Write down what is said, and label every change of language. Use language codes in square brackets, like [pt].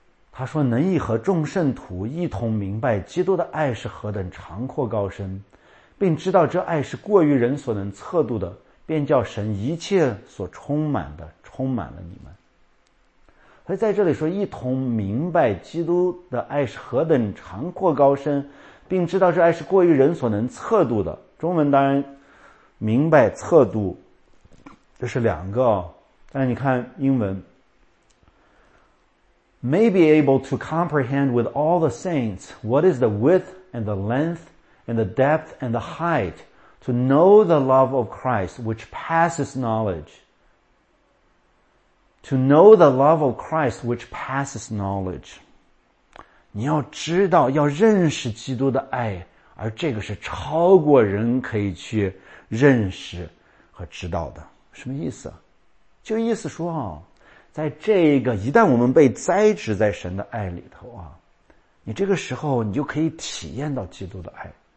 [zh] 他说能以和众圣徒一同明白基督的爱是何等长阔高深，并知道这爱是过于人所能测度的，便叫神一切所充满的充满了你们。所以在这里说，一同明白基督的爱是何等长阔高深，并知道这爱是过于人所能测度的。中文当然明白测度，这是两个、哦。但是你看英文 [en] ，may be able to comprehend with all the saints what is the width and the length and the depth and the height to know the love of Christ which passes knowledge. To know the love of Christ which passes knowledge. [zh] 你要知道，要认识基督的爱，而这个是超过人可以去认识和知道的。什么意思？就意思说，在这个，一旦我们被栽植在神的爱里头啊，你这个时候你就可以体验到基督的爱。